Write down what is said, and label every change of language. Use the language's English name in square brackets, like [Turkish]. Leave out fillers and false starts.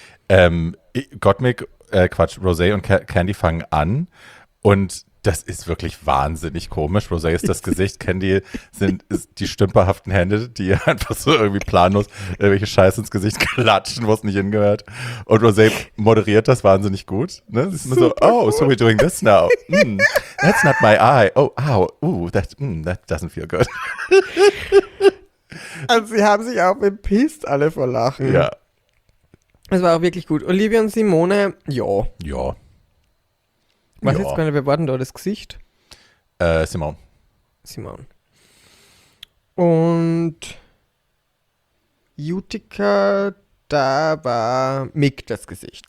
[German] Rosé und Candy fangen an und das ist wirklich wahnsinnig komisch. Rosé ist das Gesicht, Candy ist die stümperhaften Hände, die einfach so irgendwie planlos irgendwelche Scheiße ins Gesicht klatschen, wo es nicht hingehört. Und Rosé moderiert das wahnsinnig gut. Ne? Sie ist immer so, oh, [English] so we're doing this now. That's not my eye. Oh, ow, that doesn't feel good. [German] Also sie haben sich auch bepisst alle vor Lachen. Ja. Es war auch wirklich gut. Olivia und Simone, ja. Ja. Was jetzt gerade, wir warten da das Gesicht? Simone. Und Utica, da war Mick das Gesicht.